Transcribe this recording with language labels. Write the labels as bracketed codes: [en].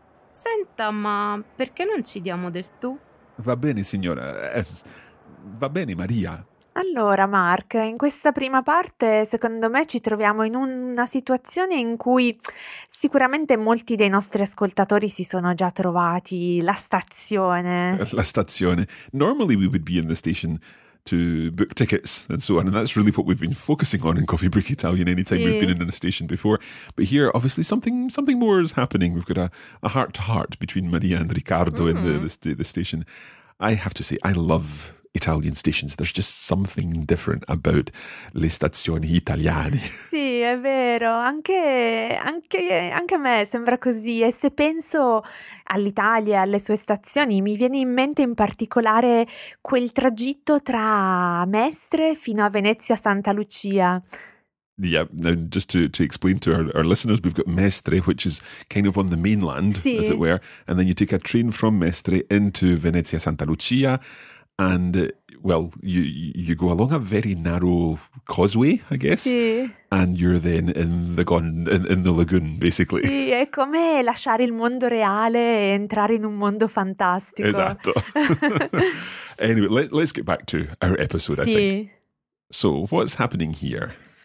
[it] Senta, ma perché non ci diamo del tu? Va bene, signora. Va bene, Maria. Allora, Mark, in questa prima parte, secondo me, ci troviamo in una situazione in cui sicuramente molti dei nostri ascoltatori si sono già trovati. La stazione. La stazione. [en] Normally we would be in the station to book tickets and so on, and that's really what we've been focusing on in Coffee Break Italian anytime [it] sì. [en] We've been in a station before. But here, obviously, something more is happening. We've got a heart-to-heart between Maria and Riccardo in the station. I have to say, I love Italian stations. There's just something different about [it] le stazioni italiane. Sì, è vero. Anche a me sembra così. E se penso all'Italia e alle sue stazioni, mi viene in mente in particolare quel tragitto tra Mestre fino a Venezia Santa Lucia. [en] Yeah, and just to explain to our listeners, we've got Mestre, which is kind of on the mainland, [it] sì, [en] as it were. And then you take a train from Mestre into Venezia Santa Lucia. And, well, you go along a very narrow causeway, I guess, [it] sì, [en] and you're then in the lagoon, basically. [it] Sì, è come lasciare il mondo reale e entrare in un mondo fantastico. Esatto. [en] Anyway, let's get back to our episode, [it] sì, [en] I think. So, what's happening here?